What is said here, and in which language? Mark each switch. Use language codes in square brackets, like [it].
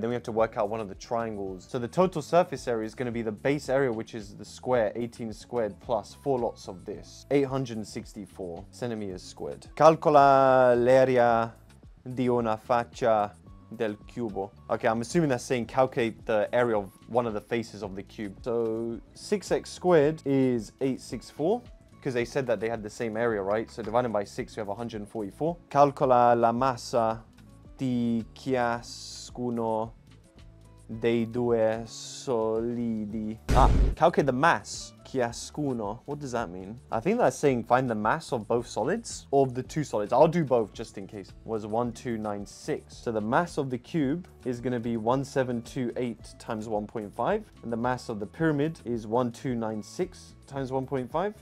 [en] Then we have to work out one of the triangles. So the total surface area is gonna be the base area, which is the square, 18 squared plus four lots of this, 864 centimeters squared. [it] Calcola l'area di una faccia del cubo. [en] Okay, I'm assuming that's saying calculate the area of one of the faces of the cube. So 6x squared is 864. Because they said that they had the same area, right? So divided by 6, we have 144. [it] Calcola la massa di ciascuno dei due solidi. [en] Ah, calculate the mass. Ciascuno. What does that mean? I think that's saying find the mass of both solids or of the two solids. I'll do both just in case. Was 1296. So the mass of the cube is going to be 1728 times 1.5. And the mass of the pyramid is 1296 times 1.5.